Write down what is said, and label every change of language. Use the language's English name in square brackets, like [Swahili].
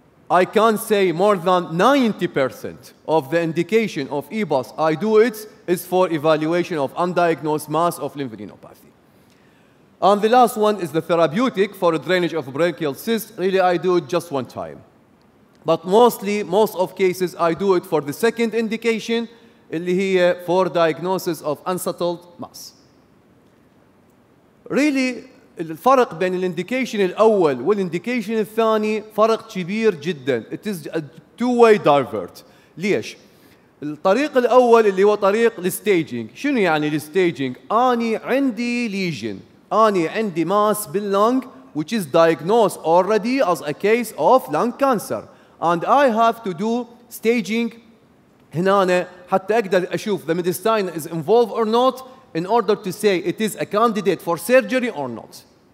[English] I can say more than 90% of the indication of EBOS I do it is for evaluation of undiagnosed mass of lymphadenopathy. And the last one is the therapeutic for a drainage of branchial cyst. Really, I do it just one time. But mostly, most of cases, I do it for the second indication, [Arabic] اللي هي [English] for diagnosis of unsettled mass. [Arabic] Really, الفرق بين الindication الأول والindication الثاني فرق كبير جدا. [English] It is a two-way divert. [Arabic] ليش؟ الطريق الأول اللي هو طريق الستيجينج. شنو يعني الستيجينج؟ أني عندي lesion. أني عندي [English] mass باللونج, which is diagnosed already as a case of lung cancer. And I have to do staging [Arabic] هنا حتى أقدر أشوف [English] the mediastinum is involved or not in order to say it is a candidate for surgery or not.